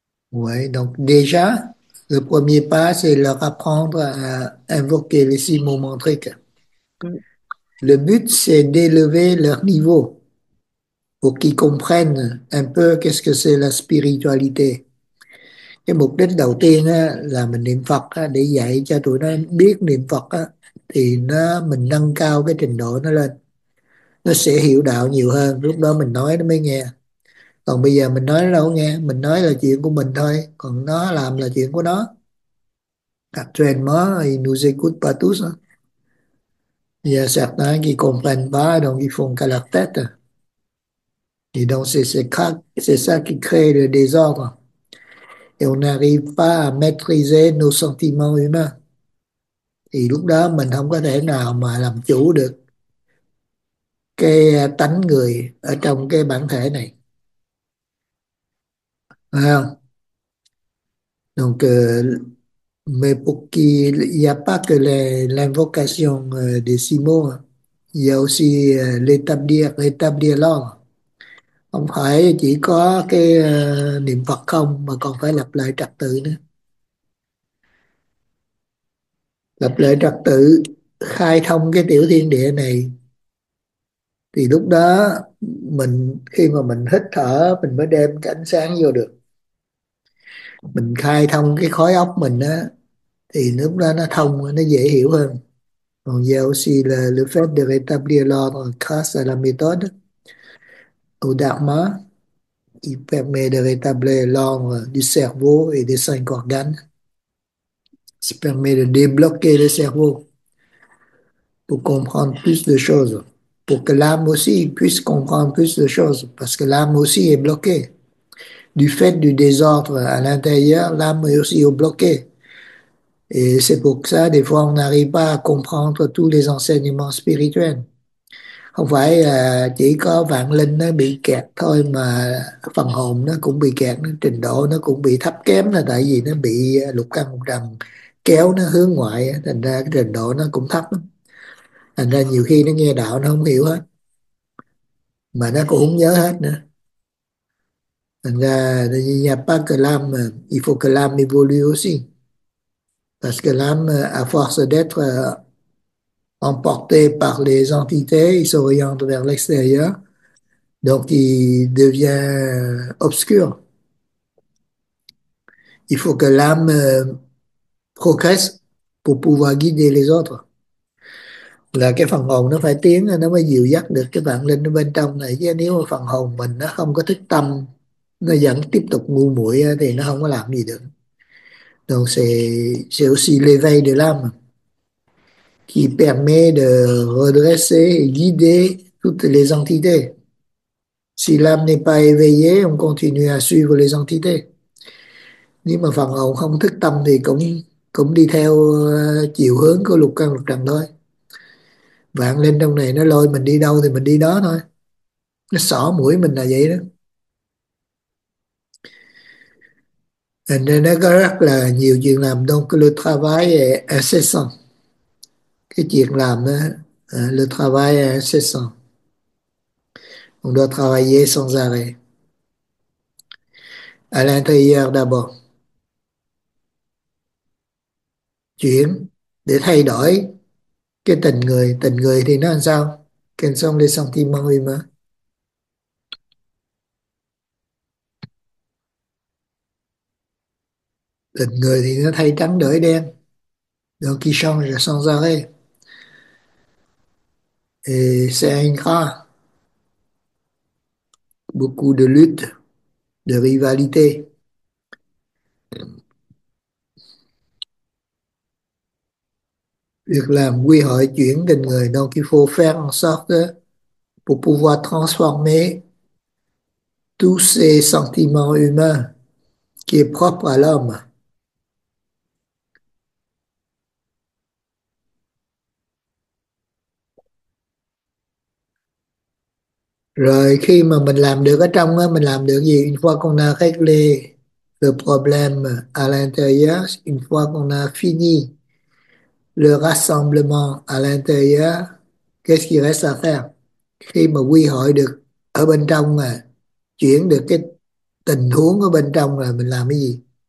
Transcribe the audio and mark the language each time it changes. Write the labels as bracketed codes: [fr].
[fr] Oui, donc déjà, le premier pas, c'est leur apprendre à invoquer les six mots mantriques. Le but, c'est d'élever leur niveau pour qu'ils comprennent un peu qu'est-ce que c'est la spiritualité. [vi] Cái mục đích đầu tiên á, là mình niệm Phật á, để dạy cho tụi nó biết niệm Phật á, thì nó mình nâng cao cái trình độ nó lên. Nó sẽ hiểu đạo nhiều hơn, lúc đó mình nói nó mới nghe. Còn bây giờ mình nói nó đâu nghe, mình nói là chuyện của mình thôi, còn nó làm là chuyện của nó. [fr] Actuellement, ils nous écoutent pas tous. Il y a certains qui comprennent pas, donc ils font qu'à leur tête. Et donc c'est ça qui crée le désordre. Et on n'arrive pas à maîtriser nos sentiments humains. [vi] Et lúc đó mình không có thể nào mà làm chủ được cái tánh người ở trong cái bản thể này. Phải không? [fr] Donc, mais pour qu'il n'y a pas que l'invocation des six mots, il y a aussi rétablir l'ordre. [vi] Không phải chỉ có cái niệm Phật không, mà còn phải lập lại trật tự nữa. Lập lại trật tự, khai thông cái tiểu thiên địa này, thì lúc đó mình khi mà mình hít thở, mình mới đem cái ánh sáng vô được. Mình khai thông cái khối óc mình á, thì lúc đó nó thông, nó dễ hiểu hơn. Còn giờ [fr] aussi là le fait de rétablir l'ordre grâce à la méthode au dharma, il permet de rétablir l'ordre du cerveau et des cinq organes. Ça permet de débloquer le cerveau pour comprendre plus de choses, pour que l'âme aussi puisse comprendre plus de choses, parce que l'âme aussi est bloquée. Du fait du désordre à l'intérieur, l'âme est aussi bloquée. Et c'est pour ça, des fois, on n'arrive pas à comprendre tous les enseignements spirituels. [vi] Không phải chỉ có vạn linh nó bị kẹt thôi, mà phần hồn nó cũng bị kẹt, trình độ nó cũng bị thấp kém, là tại vì nó bị lục căn lục trần kéo nó hướng ngoại, thành ra cái trình độ nó cũng thấp lắm. Thành ra nhiều khi nó nghe đạo nó không hiểu hết, mà nó cũng không nhớ hết nữa. Thành ra [fr] il n'y a pas que l'âme, il faut que l'âme évolue aussi. Parce que l'âme, à force d'être emportée par les entités, il s'oriente vers l'extérieur, donc il devient obscur. Il faut que l'âme progresse pour pouvoir guider les autres. [vi] Là cái phần hồn nó phải tiến, nó mới dìu dắt được cái vạn linh bên trong này. Chứ nếu mà phần hồn mình nó không có thức tâm, nó vẫn tiếp tục ngu muội thì nó không có làm gì được. [fr] Donc c'est aussi l'éveil de l'âme qui permet de redresser et guider toutes les entités. Si l'âme n'est pas éveillée, on continue à suivre les entités. [vi] Nếu mà phần hồn không thức tâm thì cũng cũng đi theo chiều hướng của lục căn lục trần thôi. Vạn linh trong này nó lôi mình đi đâu thì mình đi đó thôi. Nó xỏ mũi mình là vậy đó. Nên nó có rất là nhiều chuyện làm. [fr] Donc le travail est incessant. [vi] Cái chuyện làm đó, [fr] le travail est incessant. On doit travailler sans arrêt. À l'intérieur d'abord. [vi] Chuyển để thay đổi cái tình người. Tình người thì nó làm sao? [fr] Quels sont les sentiments humains? [vi] Tình người thì nó thay trắng đổi đen, [fr] donc qui change sans arrêt, et c'est un cas. beaucoup de luttes, de rivalités. [vi] Làm quy hỏi chuyển tình người, [fr] donc il faut faire en sorte pour pouvoir transformer tous ces sentiments humains qui est propre à l'homme. [vi] Rồi khi mà mình làm được ở trong á, mình làm được gì? [fr] Une fois qu'on a réglé le problème à l'intérieur, une fois qu'on a fini le rassemblement à l'intérieur, qu'est-ce qui reste à faire? [vi] Khi mà quy hội được ở bên trong mà chuyển được cái tình huống ở bên trong là mình làm cái gì?